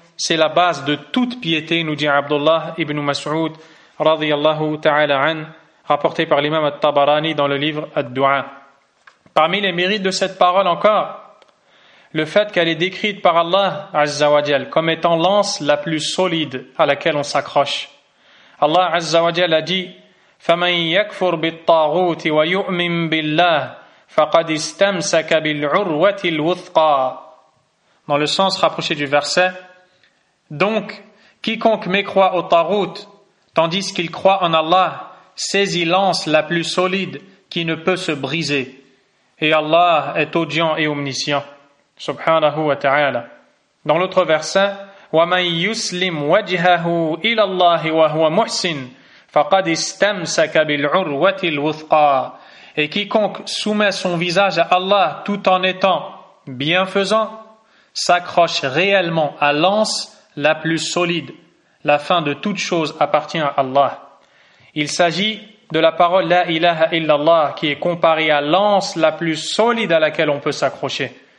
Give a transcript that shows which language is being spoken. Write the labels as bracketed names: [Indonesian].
[French] C'est la base de toute piété, nous dit Abdullah ibn Mas'ud radiyallahu ta'ala an, rapporté par l'imam al-Tabarani dans le livre Ad-Du'a. Parmi les mérites de cette parole encore, le fait qu'elle est décrite par Allah Azza wa Jal comme étant l'anse la plus solide à laquelle on s'accroche. Allah Azza wa Jal a dit [Arabic] فَمَنْ يَكْفُرْ بِالطَّاغُوتِ وَيُؤْمِنْ بِاللَّهِ فَقَدْ اسْتَمْسَكَ بِالْعُرْوَةِ الْوُثْقَى. [French] Dans le sens rapproché du verset, donc, quiconque mécroit au tagout, tandis qu'il croit en Allah, saisit l'anse la plus solide qui ne peut se briser. Et Allah est audient et omniscient. [Arabic] Subhanahu wa ta'ala. [French] Dans l'autre verset, [Arabic] وَمَنْ يُسْلِمْ وَجْهَهُ إِلَى اللَّهِ وَهُوَ مُحْسِنْ فَقَدْ اسْتَمْسَكَ بِالْعُرْوَةِ الْوُثْقَى. [French] Et quiconque soumet son visage à Allah tout en étant bienfaisant, s'accroche réellement à l'anse la plus solide. La fin de toute chose appartient à Allah. Il s'agit de la parole « [Arabic] La ilaha illallah [French] » qui est comparée à l'anse la plus solide à laquelle on peut s'accrocher.